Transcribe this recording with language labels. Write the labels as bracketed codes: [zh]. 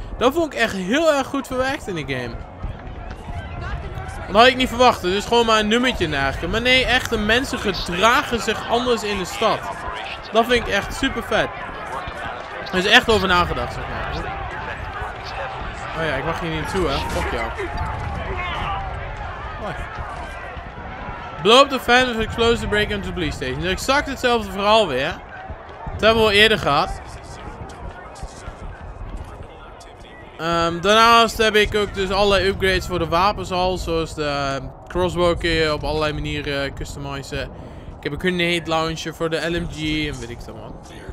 [nl] Dat vond ik echt heel erg goed verwerkt in die game. Dat had ik niet verwacht. Het is gewoon maar een nummertje eigenlijk. Maar nee, echt de mensen gedragen zich anders in de stad. Dat vind ik echt super vet. Er is echt over nagedacht, zeg maar. Oh ja, ik mag hier niet naartoe, hè. Fuck jou. [en] Blow up the fan of explosive break into the police station. [nl] Dat is exact hetzelfde verhaal weer. Dat hebben we al eerder gehad. Daarnaast heb ik ook dus allerlei upgrades voor de wapens al. Zoals de crossbow kun je op allerlei manieren customizen. Ik heb een grenade launcher voor de LMG en weet ik dan wat.